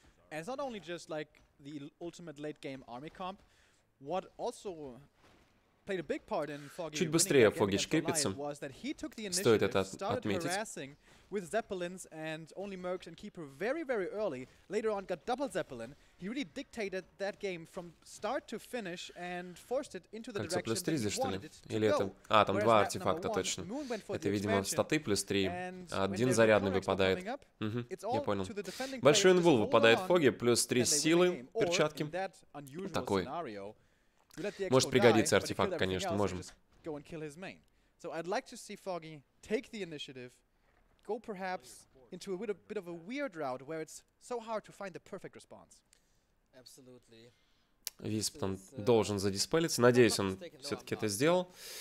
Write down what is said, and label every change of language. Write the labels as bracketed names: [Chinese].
[English] And it's not only just like the ultimate late game army comp, what also played a big part in Foggy winning against Alliance was that he took the initiative, started harassing with Zeppelins and only Mercs and Keeper very, very early. Later on got double Zeppelin. He really dictated that game from start to finish and forced it into the direction that he wanted it to go. [Russian] Или это... А, там два артефакта, точно. Это, видимо, статы плюс три. Один зарядный выпадает. Угу, я понял. Большой инвул выпадает в Фоге, плюс три силы, перчатки. Такой. Может пригодиться артефакт, конечно, можем. [English] So I'd like to see Foggy take the initiative, go perhaps into a bit of a weird route where it's so hard to find the perfect response. Absolutely. [Russian] Висп там должен задиспелиться. Надеюсь, он все-таки это сделал.